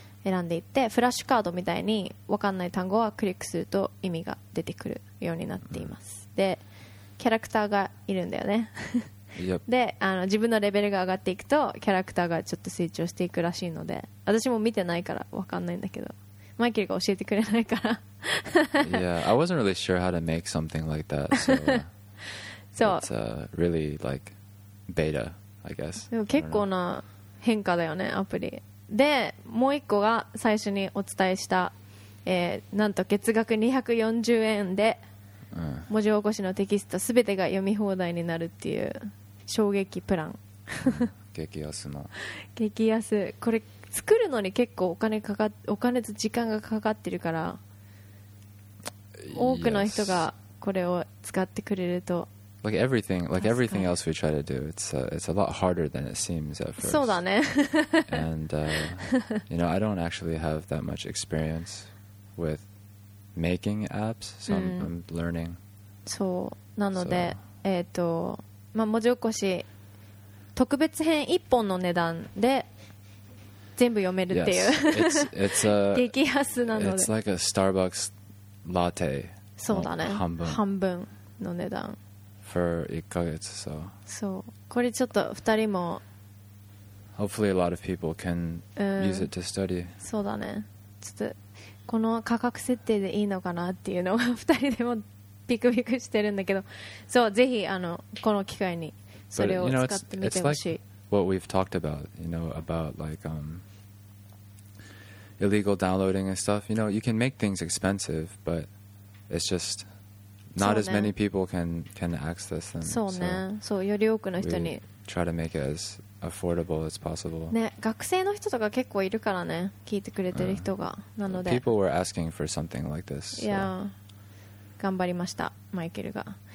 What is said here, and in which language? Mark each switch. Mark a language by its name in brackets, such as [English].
[Japanese] 選んでいってフラッシュカードみたいに分かんない単語はクリックすると意味が出てくるようになっています、うん、でキャラクターがいるんだよね [English] yep. [Japanese] で自分のレベルが上がっていくとキャラクターがちょっと成長していくらしいので私も見てないから分かんないんだけどマイケルが教えてくれないから [English] Yeah, I wasn't really sure how to make something like that so it's really like beta, I guess. [Japanese] でも結構な変化だよねアプリでもう一個が最初にお伝えした、なんと月額240円で文字起こしのテキストすべてが読み放題になるっていう衝撃プラン激安の激安これ作るのに結構お金と時間がかかってるから多くの人がこれを使ってくれると [English] Like everything else we try to do, it's a lot harder than it seems at first. [Japanese] そうだね。 [English] And, you know, I don't actually have that much experience with making apps, so I'm learning. [Japanese] そう。なので、文字起こし、特別編1本の値段で全部読めるっていう、 [English] yes. it's [Japanese] 激安なので、 [English] It's like a Starbucks latte。 [Japanese] そうだね。半分の値段。 [English] For 1ヶ月、so。 [Japanese] そう。これちょっと2人も。 [English] Hopefully a lot of people can use it to study。 [Japanese] そうだね。ちょっとこの価格設定でいいのかなっていうのを2人でもビクビクしてるんだけど、そうぜひあのこの機会にそれを使ってみてほしい。 [English] What we've talked about, you know, about like illegal downloading and stuff. You know, you can make things expensive, but it's just not as many people can access them. [Japanese] そうね。そう、より多くの人に。 [English] We try to make it as affordable as possible. [Japanese] ね、学生の人とか結構いるからね、聞いてくれてる人が。なので。 [English] People were asking for something like this. [Japanese] いや、頑張りました、マイケルが。